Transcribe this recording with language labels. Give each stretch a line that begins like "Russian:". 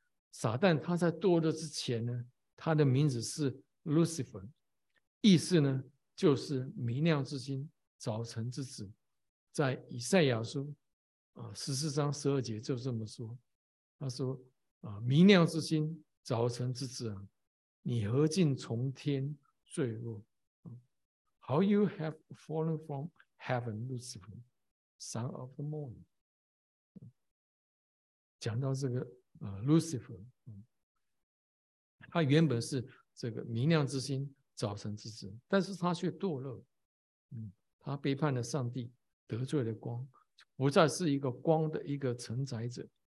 Chinese: 撒旦他在堕落之前呢，他的名字是 Lucifer， 意思呢就是明亮之星，早晨之子。在以赛亚书14章12节就这么说，他说明亮之星，早晨之子啊，你何竟从天坠落。
English: How you have fallen from heaven, Lucifer, son of the morning。
Chinese: 讲到这个Lucifer， 他原本是这个明亮之星，早晨之子，但是他却堕落，他背叛了上帝，得罪了光，不再是一个光的一个承载者。